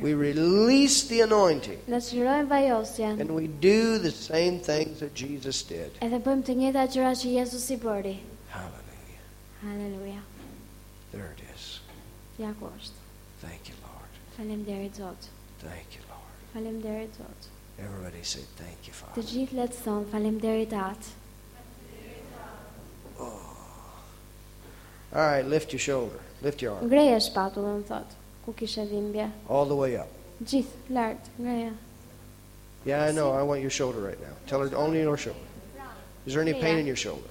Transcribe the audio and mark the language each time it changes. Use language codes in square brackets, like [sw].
[en] We release the anointing. [sq] Ne shërojmë vajosjen. [en] And we do the same things that Jesus did. [sq] Edhe bëjmë të njëjta gjëra që Jezusi bëri. [en] Hallelujah. Hallelujah. There it is. [sq] Ja ku është. [en] Thank you, Lord. [sq] Faleminderit Zot. [en] Thank you, Lord. [sq] Faleminderit Zot. [en] Everybody say thank you, Father. [sq] Të gjithë le të thonë faleminderit At. Oh. [en] All right, lift your shoulder. Lift your arm. [sq] Ngreje shpatullën thot, ku kishe dhimbje. [en] All the way up. [sq] Gjith lart, ngreje. [en] Yeah, I know. I want your shoulder right now. Tell her only your shoulder. Is there any pain in your shoulder?